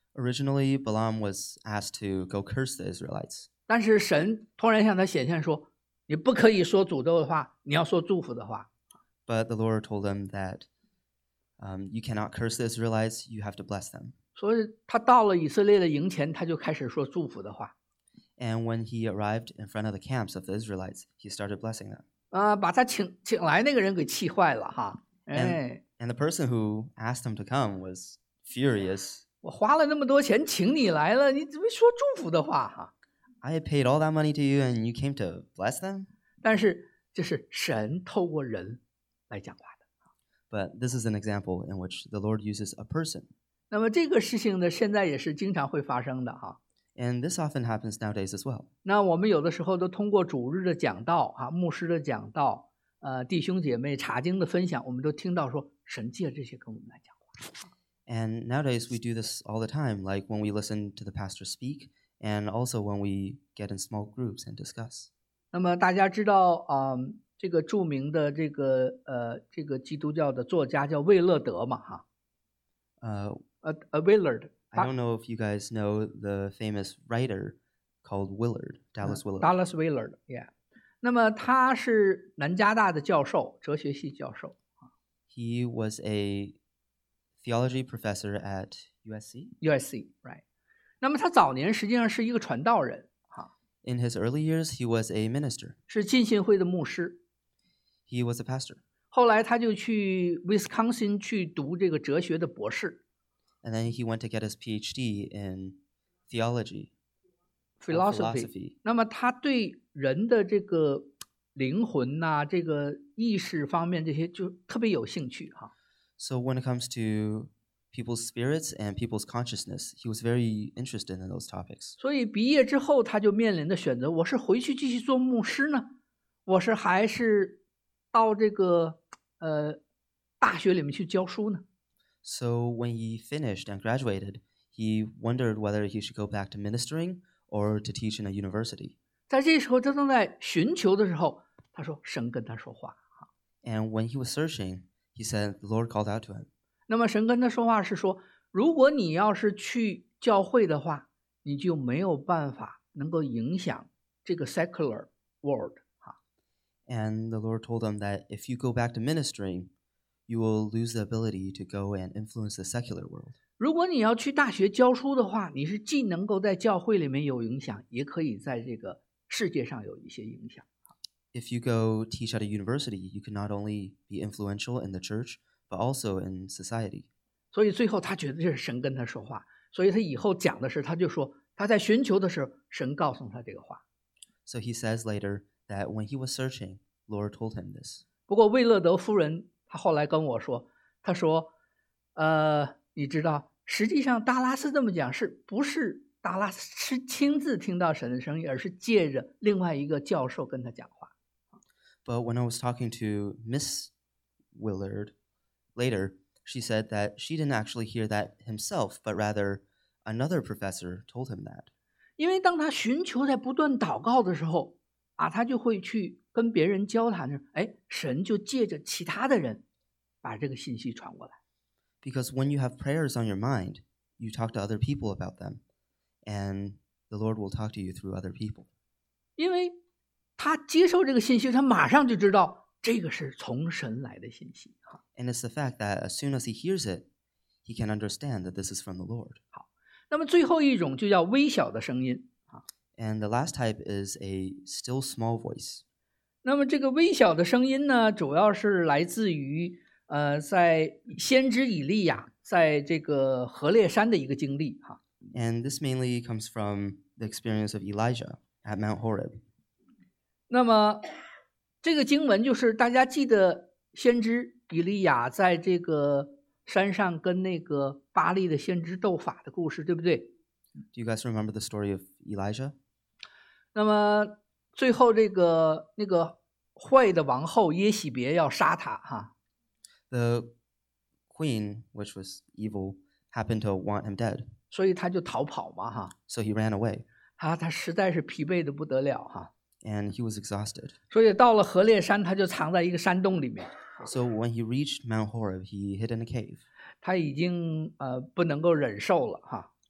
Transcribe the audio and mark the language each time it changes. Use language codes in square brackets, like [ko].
[en] Originally, Balaam was asked to go curse the Israelites. [zh] 但是神突然向他显现说，你不可以说诅咒的话，你要说祝福的话。 [en] But the Lord told him that, you cannot curse the Israelites, you have to bless them. [zh] 所以他到了以色列的营前，他就开始说祝福的话。 [en] And when he arrived in front of the camps of the Israelites, he started blessing them. [zh] 把他请来那个人给气坏了哈。 [en] And the person who asked him to come was furious. [zh] 我花了那么多钱请你来了，你怎么说祝福的话哈 [en] ？I paid all that money to you, and you came to bless them. [zh] 但是这是神透过人来讲话的。 [en] But this is an example in which the Lord uses a person. [zh] 那么这个事情呢，现在也是经常会发生的哈。 [en] And this often happens nowadays as well. [zh] 那我们有的时候都通过主日的讲道啊，牧师的讲道，弟兄姐妹查经的分享，我们都听到说神借这些跟我们来讲话。 [en] And nowadays we do this all the time, like when we listen to the pastor speak, and also when we get in small groups and discuss. [zh] 那么大家知道，这个著名的这个这个基督教的作家叫魏勒德嘛，哈。 [en] Willard. I don't know if you guys know the famous writer called Willard, Dallas Willard. Dallas Willard, yeah. [zh] 那么他是南加大的教授，哲学系教授。 [en] He was a theology professor at USC. USC, right. [zh] 那么他早年实际上是一个传道人。 [en] In his early years, he was a minister. [zh] 是浸信会的牧师。 [en] He was a pastor. [zh] 后来他就去 Wisconsin 去读这个哲学的博士。 [en] And then he went to get his PhD in theology. Philosophy. [zh] 那么他对人的这个灵魂啊，这个意识方面这些就特别有兴趣哈。 [en] So when it comes to people's spirits and people's consciousness, he was very interested in those topics. [zh] 所以毕业之后他就面临的选择，我是回去继续做牧师呢，我是还是到这个大学里面去教书呢。 [en] So when he finished and graduated, he wondered whether he should go back to ministering or to teach in a university. [zh] 在这时候他正在寻求的时候，他说神跟他说话。 [en] And when he was searching, he said the Lord called out to him. [zh] 那么神跟他说话是说，如果你要是去教会的话，你就没有办法能够影响这个 [en] secular world. And the Lord told him that if you go back to ministering,you will lose the ability to go and influence the secular world. [zh] 如果你要去大学教书的话，你是既能够在教会里面有影响，也可以在这个世界上有一些影响。 [en] If you go teach at a university, you can not only be influential in the church, but also in society. [zh] 所以最后他觉得这是神跟他说话，所以他以后讲的是，他就说他在寻求的时候，神告诉他这个话。 [en] So he says later that when he was searching, Lord told him this. [zh] 不过魏勒德夫人他后来跟我说，他说你知道实际上达拉斯这么讲是不是达拉斯是亲自听到神的声音，而是借着另外一个教授跟他讲话。 [en] But when I was talking to Miss Willard later, she said that she didn't actually hear that himself, but rather another professor told him that. [zh] 因为当他寻求在不断祷告的时候啊，他就会去跟别人交谈的，哎，神就借着其他的人把这个信息传过来。 [en] Because when you have prayers on your mind, you talk to other people about them, and the Lord will talk to you through other people. [zh] 因为他接受这个信息，他马上就知道这个是从神来的信息。 [en] And it's the fact that as soon as he hears it, he can understand that this is from the Lord. [zh] 好，那么最后一种就叫微小的声音。 [en] And the last type is a still small voice. [zh] 那么这个微小的声音呢，主要是来自于在先知以利亚在这个何烈山的一个经历哈。 [en] And this mainly comes from the experience of Elijah at Mount Horeb. [zh] 那么这个经文就是大家记得先知以利亚在这个山上跟那个巴利的先知斗法的故事，对不对？ [en] Do you guys remember the story of Elijah? [zh] 那么最后这个那个坏的王后耶洗别要杀他哈。 [en] The queen, which was evil, happened to want him dead. [zh] 所以他就逃跑嘛哈。 [en] So he ran away. [zh] 他实在是疲惫的不得了哈。 [en] And he was exhausted. [zh] 所以到了何烈山，他就藏在一个山洞里面。 [en] So when he reached Mount Horeb, he hid in a cave. [zh] 他已经不能够忍受了哈。